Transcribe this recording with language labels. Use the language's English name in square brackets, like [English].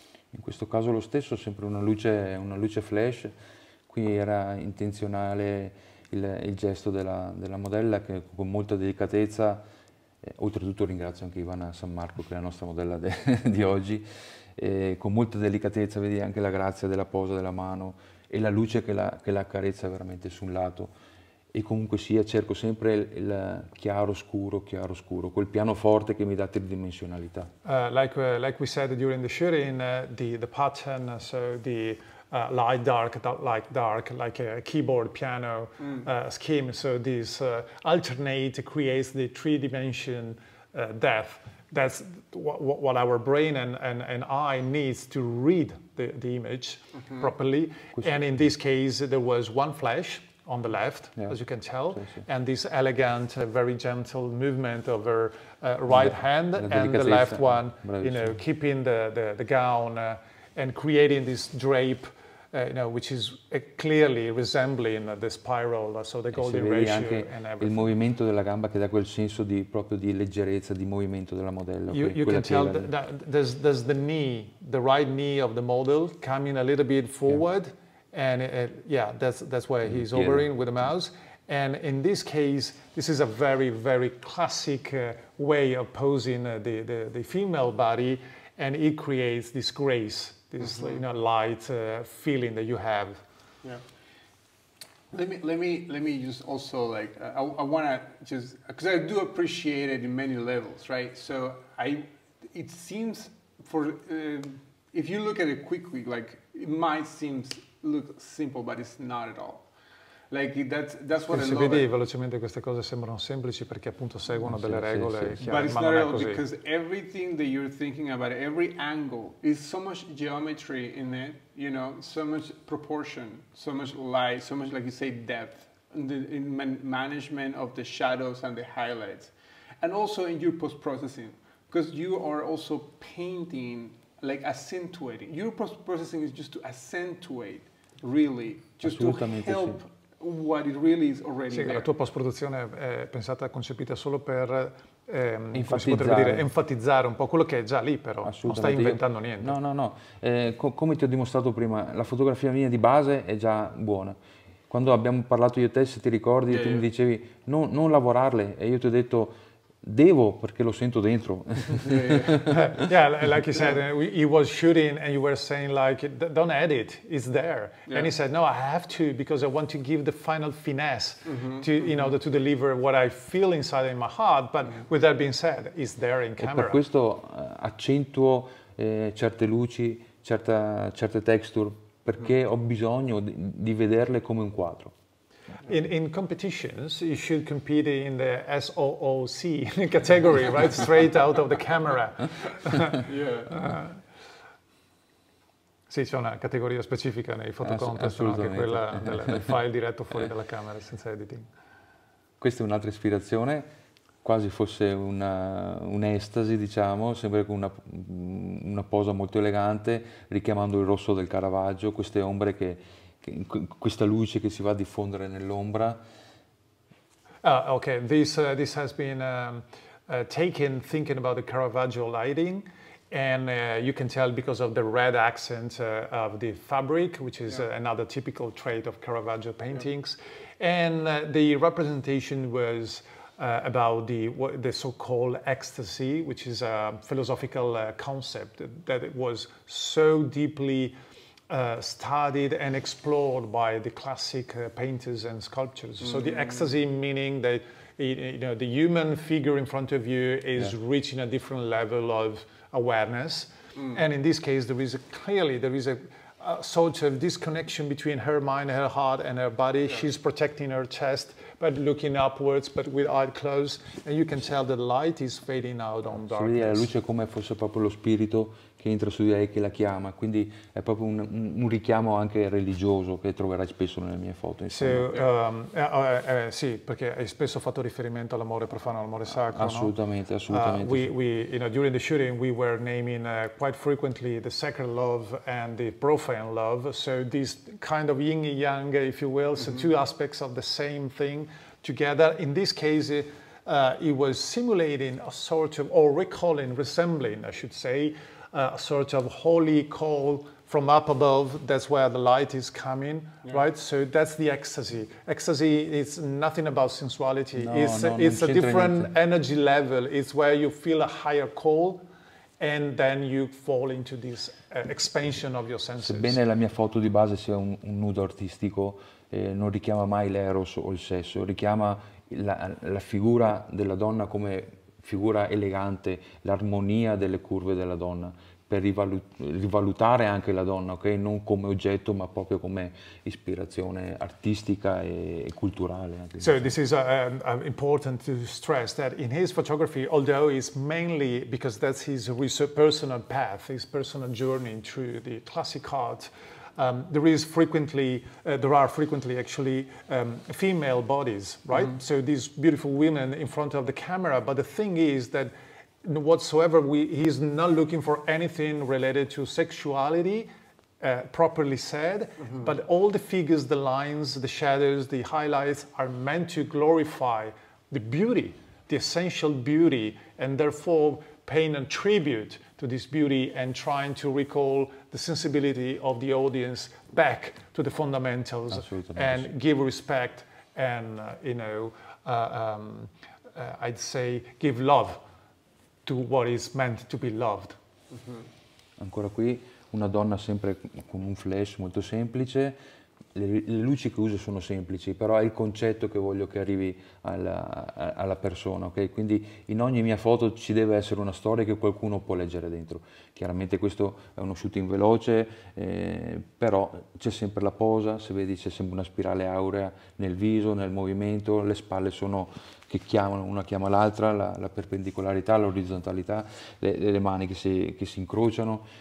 [Italian] In questo caso lo stesso, sempre una luce flash. Qui era intenzionale il gesto della modella, che con molta delicatezza, oltretutto ringrazio anche Ivana San Marco, che è la nostra modella di oggi, con molta delicatezza, vedi anche la grazia della posa della mano e la luce che la accarezza veramente su un lato. E comunque sia, cerco sempre il chiaro scuro, quel pianoforte che mi dà tridimensionalità. [English] Like we said during the shooting, the pattern, so the light dark, light dark, like a keyboard piano scheme, so this alternate creates the three dimension depth. That's what our brain and eye needs to read the image properly. And in this case, there was one flash on the left, yeah. As you can tell, sì. And this elegant, very gentle movement of her right hand and the left one, you know, keeping the gown and creating this drape, you know, which is clearly resembling the spiral, so the golden ratio [Italian] anche [English] and everything. [Italian] Il movimento della gamba che dà quel senso di proprio di leggerezza, di movimento della modella. [English] You can tell there's the knee, the right knee of the model coming a little bit forward. Yeah. And that's where he's hovering with the mouse. And in this case, this is a very, very classic way of posing the female body, and it creates this grace, this you know, light feeling that you have. Yeah. Let me just also like I want to just because I do appreciate it in many levels, right? So it seems for if you look at it quickly, like it might seem. Look simple, but it's not at all. Like that's what [Italian] si [English] I love. [Italian] Si vede velocemente queste cose sembrano semplici perché appunto seguono delle regole. Sì. [English] But it's not at all because everything that you're thinking about, every angle, is so much geometry in it. You know, so much proportion, so much light, so much like you say depth in management of the shadows and the highlights, and also in your post processing because you are also painting. Like accentuating your post-processing is just to accentuate, really, just to help what it really is already. [Italian] Sì, [English] there. [Italian] La tua post-produzione è pensata, concepita solo per enfatizzare un po' quello che è già lì, però non stai inventando niente. No. Come ti ho dimostrato prima, la fotografia mia di base è già buona. Quando abbiamo parlato io e te, se ti ricordi, tu mi dicevi non lavorarle e io ti ho detto. Devo perché lo sento dentro. [English] Yeah, like you said, he was shooting and you were saying like, don't edit, it's there. Yeah. And he said, no, I have to because I want to give the final finesse to, you know, to deliver what I feel inside in my heart. But with that being said, it's there in camera. [Italian] E per questo accentuo certe luci, certe texture, perché ho bisogno di vederle come un quadro. [English] In competitions, you should compete in the SOOC category, right? Straight out of the camera. Yeah. [Italian] Sì, c'è una categoria specifica nei fotocontest, anche quella del file diretto fuori dalla camera, senza editing. Questa è un'altra ispirazione, quasi fosse un'estasi, diciamo, sempre con una posa molto elegante, richiamando il rosso del Caravaggio, queste ombre che... questa luce che si va a diffondere nell'ombra. [English] Okay, this has been taken thinking about the Caravaggio lighting, and you can tell because of the red accent of the fabric, which is another typical trait of Caravaggio paintings, and the representation was about the so-called ecstasy, which is a philosophical concept that it was so deeply studied and explored by the classic painters and sculptors. So the ecstasy meaning that you know the human figure in front of you is reaching a different level of awareness. And in this case there is clearly sort of disconnection between her mind, her heart, and her body. Yeah. She's protecting her chest, but looking upwards, but with eyes closed, and you can tell the light is fading out on darkness. [Italian] Si vede la luce come fosse proprio lo spirito che entra su di lei, che la chiama. Quindi è proprio un richiamo anche religioso che troverai spesso nelle mie foto. So, sì, perché hai spesso fatto riferimento all'amore profano, all'amore sacro. Assolutamente, no? Assolutamente. [English] We, you know, during the shooting, we were naming quite frequently the sacred love and the profane love. So this kind of yin and yang, if you will, mm-hmm. So two aspects of the same thing. Together, in this case, it was simulating a sort of, or recalling, resembling, I should say, a sort of holy call from up above. That's where the light is coming, yeah. Right? So that's the ecstasy. Ecstasy is nothing about sensuality. No, it's no, it's a different energy level. It's where you feel a higher call, and then you fall into this expansion of your senses. [Italian] Sebbene la mia foto di base sia un nudo artistico, non richiama mai l'eros o il sesso, richiama la figura della donna come figura elegante, l'armonia delle curve della donna, per rivalutare anche la donna, ok? Non come oggetto, ma proprio come ispirazione artistica e culturale. Anche. [English] So this is important to stress that in his photography, although it's mainly because that's his personal path, his personal journey through the classic art, there are frequently female bodies, right? Mm-hmm. So these beautiful women in front of the camera. But the thing is that whatsoever, he's not looking for anything related to sexuality, properly said, mm-hmm. But all the figures, the lines, the shadows, the highlights are meant to glorify the beauty, the essential beauty, and therefore paying a tribute to this beauty and trying to recall the sensibility of the audience back to the fundamentals. Absolutely. And give respect and, I'd say give love to what is meant to be loved. Mm-hmm. [Italian] Ancora qui, una donna sempre con un flash molto semplice. Le luci che uso sono semplici, però è il concetto che voglio che arrivi alla persona, ok? Quindi in ogni mia foto ci deve essere una storia che qualcuno può leggere dentro. Chiaramente questo è uno shooting veloce, però c'è sempre la posa, se vedi c'è sempre una spirale aurea nel viso, nel movimento, le spalle sono che chiamano, una chiama l'altra, la perpendicolarità, l'orizzontalità, le mani che si incrociano.